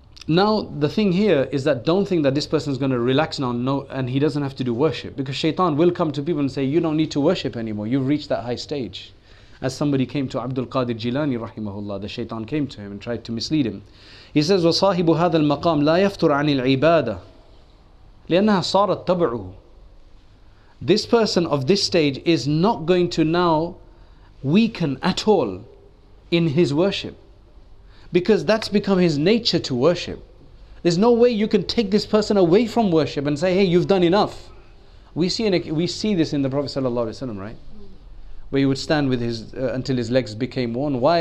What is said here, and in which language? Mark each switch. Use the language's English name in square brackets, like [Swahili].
[English] Now, the thing here is that don't think that this person is going to relax now and he doesn't have to do worship, because shaitan will come to people and say, you don't need to worship anymore, you've reached that high stage. As somebody came to Abdul Qadir Jilani rahimahullah, the shaitan came to him and tried to mislead him. He says, [Arabic] وَصَاحِبُ هَذَا الْمَقَامِ لَا يَفْتُرْ عَنِ الْعِبَادَةِ لِأَنَّهَا صَارَتْ تَبْعُهُ. [English] This person of this stage is not going to now weaken at all in his worship, because that's become his nature to worship. There's no way you can take this person away from worship and say, hey, you've done enough. We see this in the Prophet sallallahu alaihi wasallam, right? Where he would stand with until his legs became worn. Why?